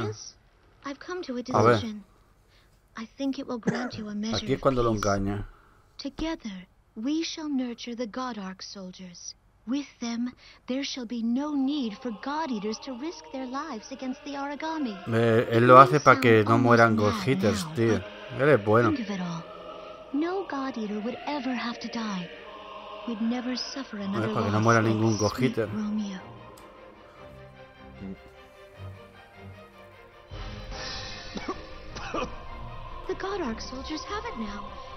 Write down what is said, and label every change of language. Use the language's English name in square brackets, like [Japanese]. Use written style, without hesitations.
[English] Julius, I've come to a decision. I think it will grant you a measure. [Spanish] Aquí es cuando lo engaña. [English] Together. We shall nurture the God Ark soldiers. With them, there shall be no need for God Eaters to risk their lives against the Origami. [Spanish] Él lo hace para que no mueran God Eaters, tío. Él es bueno. [English] Think of it all. No God Eater would ever have to die. We'd never suffer another loss. [Spanish] Para que no muera ningún God Eater. [English] The God Ark soldiers have it now.